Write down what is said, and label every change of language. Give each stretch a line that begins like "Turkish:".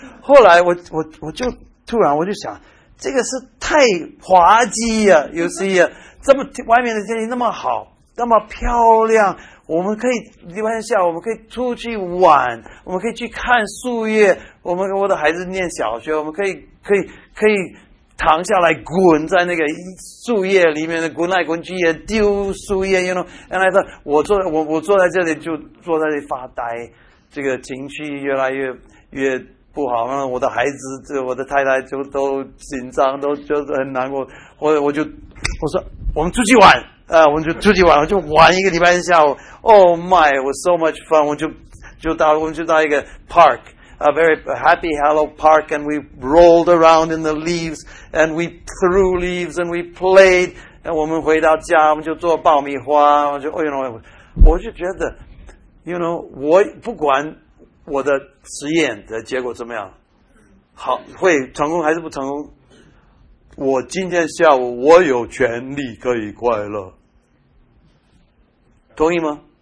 Chinese: 后来我就突然我就想，这个是太滑稽呀 ！
English: You see，
Chinese: 这么外面的天气那么好，那么漂亮，我们可以礼拜下我们可以出去玩，我们可以去看树叶，我们跟我的孩子念小学，我们可以躺下来滚在那个树叶里面的滚来滚去，也丢树叶 ，
English: And I thought，
Chinese: 我坐在这里就坐在这里发呆，这个情绪越来越。不好，然后我的孩子，我的太太就都紧张，都觉得很难过。我说，我们出去玩，我们就出去玩，我就玩一个礼拜下午。
English: Oh my, it was so much fun.
Chinese: 我们就到一个
English: park, a very happy hello park, and we rolled around in the leaves, and we threw leaves, and we played.
Chinese: 然后我们回到家，我们就做爆米花，我就觉得 我不管。我的实验的结果怎么样？好，会成功还是不成功？我今天下午我有权利可以快乐，同意吗？